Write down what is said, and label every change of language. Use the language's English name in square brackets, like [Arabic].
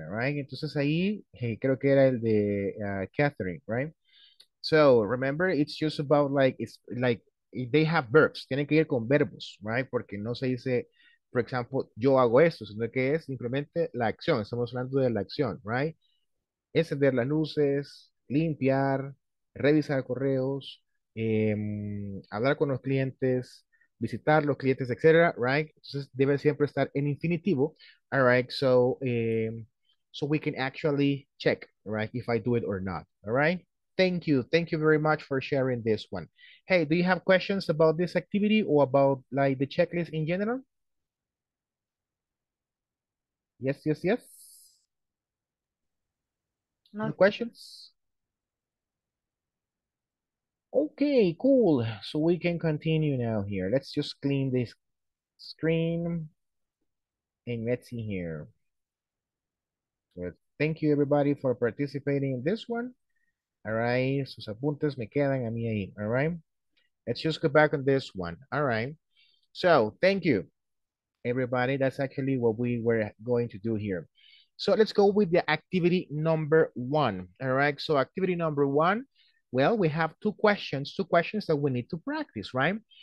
[English] All right, [Spanish] entonces ahí, [English] hey, [Spanish] creo que era el de Catherine, [English] right? So remember, it's just about like, it's like they have verbs, [Spanish] tienen que ir con verbos, [English] right? [Spanish] Porque no se dice, [English] for example, [Spanish] yo hago esto, sino que es simplemente la acción. Estamos hablando de la acción, [English] right? [Spanish] Encender las luces, limpiar, revisar correos, hablar con los clientes, visitar los clientes, etc., right? Entonces, debe siempre estar en infinitivo, [English] all right? So, so we can actually check, right, if I do it or not, all right? Thank you very much for sharing this one. Hey, do you have questions about this activity or about, like, the checklist in general? Yes. No. Any questions? Okay, cool. So we can continue now here. Let's just clean this screen and let's see here. So thank you everybody for participating in this one. All right, [Spanish] sus apuntes me quedan a mí ahí. [English] All right, let's just go back on this one. All right, so thank you everybody. That's actually what we were going to do here. So let's go with the activity number one. All right, so activity number one. Well, we have two questions that we need to practice, right?